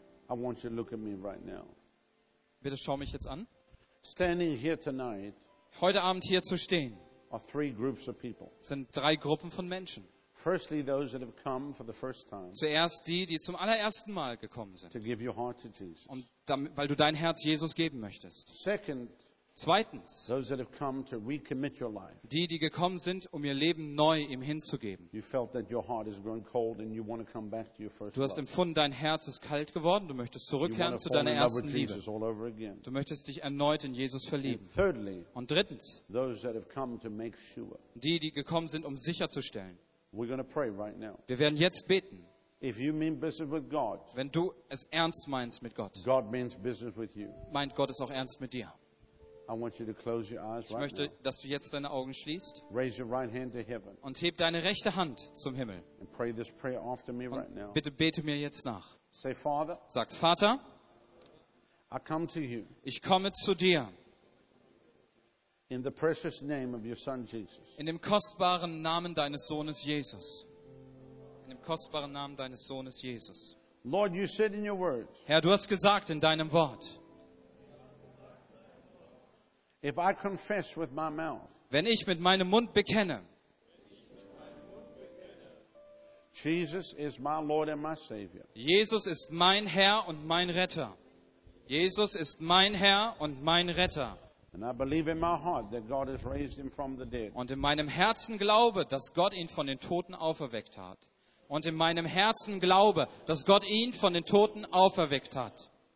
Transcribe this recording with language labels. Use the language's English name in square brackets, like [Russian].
[English] I want you to look at me right now. [German] Bitte schau mich jetzt an. [English] Standing here tonight. [German] Heute Abend hier zu stehen. [English] Are three groups of people. [German] Sind drei Gruppen von Menschen. [English] Firstly, those that have come for the first time. [German] Zuerst die, die zum allerersten Mal gekommen sind. [English] To give your heart to Jesus. [German] Und damit, weil du dein Herz Jesus geben möchtest. [English] Second. [German] Zweitens, [English] those that have come to recommit your life. [German] Die, die gekommen sind, um ihr Leben neu ihm hinzugeben. [English] You felt that your heart has grown cold and you want to come back to your first love. [German] Du hast empfunden, dein Herz ist kalt geworden, du möchtest zurückkehren zu deiner ersten Liebe. Du möchtest dich erneut in Jesus verlieben. [English] Thirdly, [German] und drittens, [English] those that have come to make sure. [German] Die, die gekommen sind, um sicherzustellen. [English] We're going to pray right now. [German] Wir werden jetzt beten. [English] If you mean business with God, [German] wenn du es ernst meinst mit Gott, [English] God means business with you. [German] Meint Gott es auch ernst mit dir. [English] I want you to close your eyes right now. [German] Ich möchte, dass du jetzt deine Augen schließt. [English] Raise your right hand to heaven. [German] Und heb deine rechte Hand zum Himmel. [English] And pray this prayer after me right now. [German] Bitte bete mir jetzt nach. [English] Say, Father, [German] sag, Vater, [English] I come to you. [German] Ich komme zu dir. [English] In the precious name of your son Jesus. [German] In dem kostbaren Namen deines Sohnes Jesus. In dem kostbaren Namen deines Sohnes Jesus. [English] Lord, you said in your word. [German] Herr, du hast gesagt in deinem Wort. [English] If I confess with my mouth, [German] wenn ich mit meinem Mund bekenne, [English] Jesus is my Lord and my Savior. [German] Jesus ist mein Herr und mein Retter. Jesus ist mein Herr und mein Retter. [English] And I believe in my heart that God has raised him from the dead. [German] Und in meinem Herzen glaube, dass Gott ihn von den Toten auferweckt hat. Und in meinem Herzen glaube, dass Gott ihn von den Toten auferweckt hat.